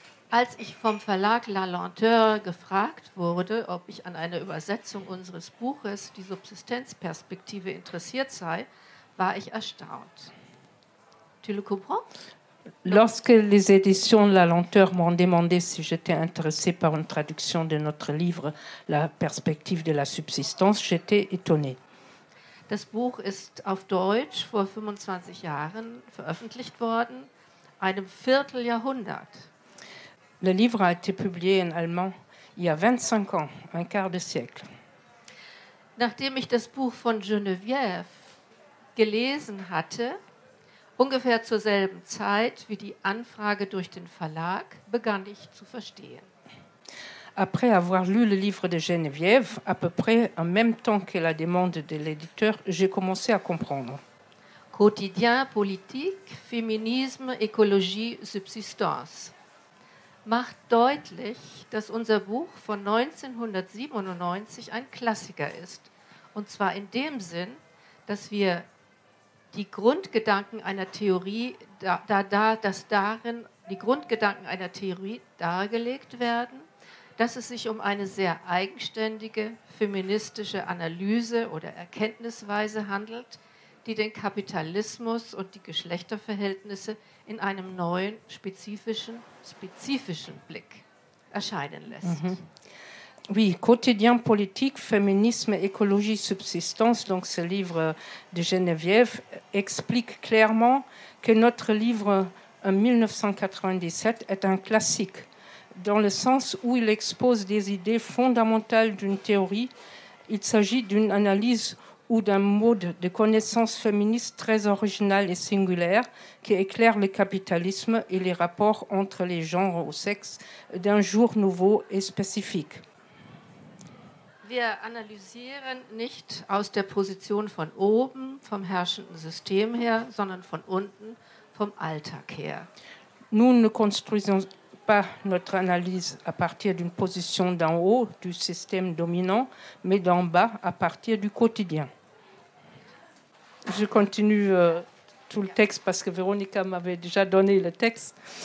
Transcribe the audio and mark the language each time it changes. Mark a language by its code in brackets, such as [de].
[de] Als ich vom Verlag La Lenteur gefragt wurde, ob ich an einer Übersetzung unseres Buches Die Subsistenzperspektive interessiert sei, war ich erstaunt. [fr] Tu le comprends? Lorsque les éditions La Lenteur m'ont demandé si j'étais intéressée par une traduction de notre livre La Perspective de la Subsistance, j'étais étonnée. [de] Das Buch ist auf Deutsch vor 25 Jahren veröffentlicht worden, einem Vierteljahrhundert. [fr] Le livre a été publié en allemand il y a 25 ans, un quart de siècle. [de] Nachdem ich das Buch von Geneviève gelesen hatte, ungefähr zur selben Zeit wie die Anfrage durch den Verlag, begann ich zu verstehen. [fr] Après avoir lu le livre de Geneviève, à peu près en même temps que la demande de l'éditeur, j'ai commencé à comprendre. Quotidien, politique, féminisme, écologie, subsistance. [de] Macht deutlich, dass unser Buch von 1997 ein Klassiker ist. Und zwar in dem Sinn, dass wir die Grundgedanken einer Theorie, dass darin die Grundgedanken einer Theorie dargelegt werden, dass es sich um eine sehr eigenständige feministische Analyse oder Erkenntnisweise handelt, die den Kapitalismus und die Geschlechterverhältnisse in einem neuen spezifischen Blick erscheinen lässt. Mhm. [fr] Oui, quotidien politique, féminisme, écologie, subsistance, donc ce livre de Geneviève explique clairement que notre livre en 1997 est un classique, dans le sens où il expose des idées fondamentales d'une théorie. Il s'agit d'une analyse ou d'un mode de connaissance féministe très original et singulaire qui éclaire le capitalisme et les rapports entre les genres ou sexes d'un jour nouveau et spécifique. [de] Wir analysieren nicht aus der Position von oben, vom herrschenden System her, sondern von unten, vom Alltag her. [fr] Nous ne construisons pas notre analyse à partir d'une position d'en haut, du système dominant, mais d'en bas, à partir du quotidien. Je continue tout le texte parce que Véronica m'avait déjà donné le texte.